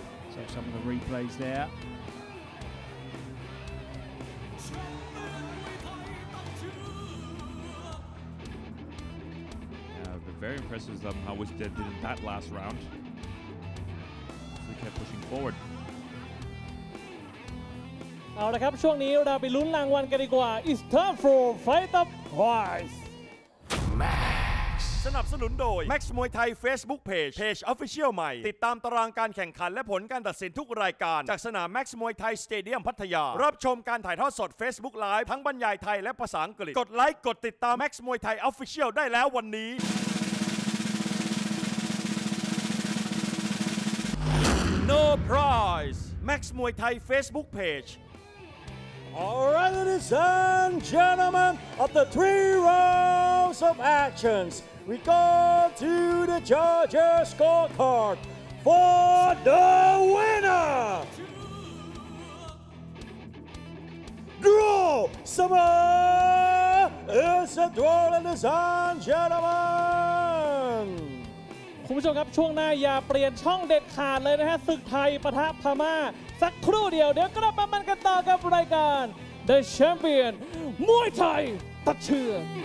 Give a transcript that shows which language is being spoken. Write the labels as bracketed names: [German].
[English] So some of the replays there. Very impressive with how much they did in that last round. So we kept pushing forward. [Thai] เอาละครับช่วงนี้เราไปลุ้นรางวัลกันดีกว่า [English] It's time for Fighter Prize [Thai] Max สนับสนุนโดย Max Muay Thai Facebook Page Page Official ใหม่ติดตามตารางการแข่งขันและผลการตัดสินทุกรายการจากสนาม Max Muay Thai Stadium พัทยารับชมการถ่ายทอดสด Facebook Live ทั้งบรรยายไทยและภาษาอังกฤษกดไลค์กดติดตาม Max Muay Thai Official ได้แล้ววันนี้ [English] No prize. Max Muay Thai Facebook page. All right, ladies and gentlemen, of the three rounds of actions, we go to the judges' scorecard for the winner. Draw. Summer is a draw, ladies and gentlemen. [Thai] คุณผู้ชมครับช่วงหน้าอย่าเปลี่ยนช่องเด็ดขาดเลยนะฮะศึกไทยปะทะพม่าสักครู่เดียวเดี๋ยวกลับมามันกันต่อกับรายการ The Champion มวยไทยตัดเชือก